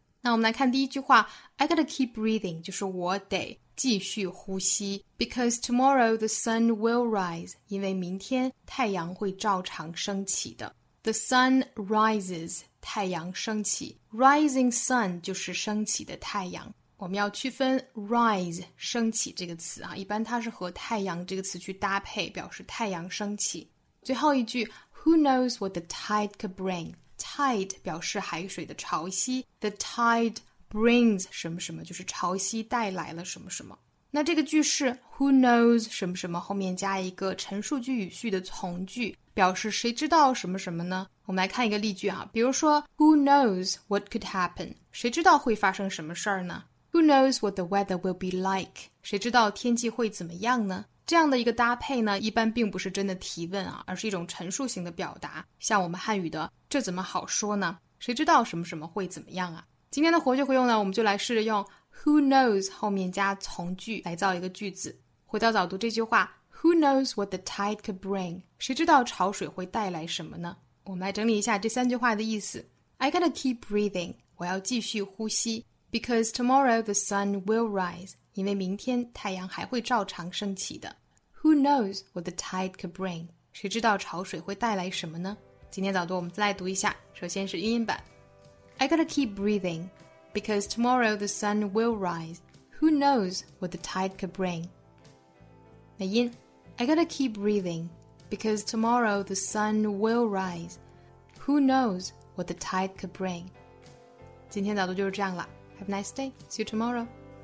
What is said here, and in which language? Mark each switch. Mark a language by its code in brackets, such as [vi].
[zh] 那我们来看第一句话， [en] I gotta keep breathing [zh] 就是我得继续呼吸， [en] because tomorrow the sun will rise， [zh] 因为明天太阳会照常升起的。 [en] The sun rises， [zh] 太阳升起， rising sun 就是升起的太阳。我们要区分 rise 升起这个词啊，一般它是和太阳这个词去搭配，表示太阳升起。最后一句 [en] Who knows what the tide could bring? [zh] Tide 表示海水的潮汐， [en] The tide brings [zh] 什么什么，就是潮汐带来了什么什么。那这个句式 Who knows 什么什么后面加一个陈述句语序的从句，表示谁知道什么什么呢？我们来看一个例句啊，比如说 [en] Who knows what could happen? [zh] 谁知道会发生什么事儿呢？ [en] Who knows what the weather will be like? [zh] 谁知道天气会怎么样呢？这样的一个搭配呢，一般并不是真的提问啊，而是一种陈述型的表达。像我们汉语的，这怎么好说呢？谁知道什么什么会怎么样啊？今天的活学活用呢，我们就来试着用 Who knows 后面加从句来造一个句子。回到早读这句话， [en] Who knows what the tide could bring? [zh] 谁知道潮水会带来什么呢？我们来整理一下这三句话的意思。 [en] I gotta keep breathing, [zh] 我要继续呼吸。 [en] Because tomorrow the sun will rise, [zh] 因为明天太阳还会照常升起的。 [en] Who knows what the tide could bring? [zh] 谁知道潮水会带来什么呢？今天早读我们再来读一下，首先是英音版。 [en] I gotta keep breathing, because tomorrow the sun will rise. Who knows what the tide could bring? [zh] 美音。 [en] I gotta keep breathing, because tomorrow the sun will rise. Who knows what the tide could bring? [zh] 今天早读就是这样了。 [en] Have a nice day. See you tomorrow.